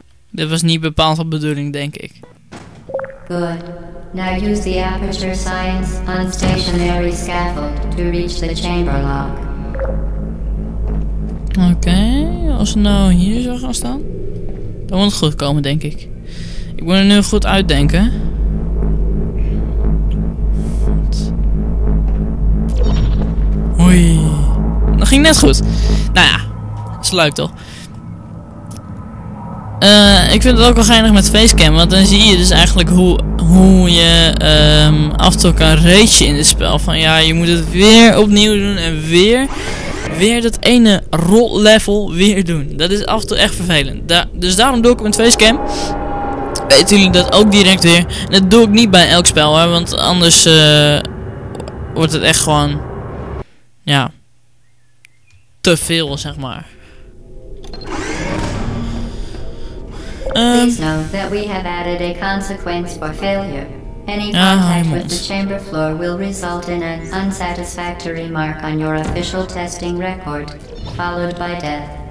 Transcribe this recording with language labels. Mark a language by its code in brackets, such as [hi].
[nl] Dit was niet bepaald van bedoeling, denk ik. [en] Good. Now use the aperture science on stationary scaffold to reach the chamber lock. [nl] Oké, als we nou hier zo gaan staan, dan moet het goed komen, denk ik. Ik moet er nu goed uitdenken. Oei. Dat ging net goed. Nou ja. Dat is leuk toch? Ik vind het ook wel geinig met facecam, want dan zie je dus eigenlijk hoe je af en toe kan race in dit spel. Van ja, je moet het weer opnieuw doen en weer dat ene rol level weer doen. Dat is af en toe echt vervelend. Dus daarom doe ik het met facecam. Weten jullie dat ook direct weer? En dat doe ik niet bij elk spel, hè, want anders wordt het echt gewoon, ja, te veel zeg maar. [en] Please know that we have added a consequence for failure. Any contact with the chamber floor will result in an unsatisfactory mark on your official testing record, followed by death.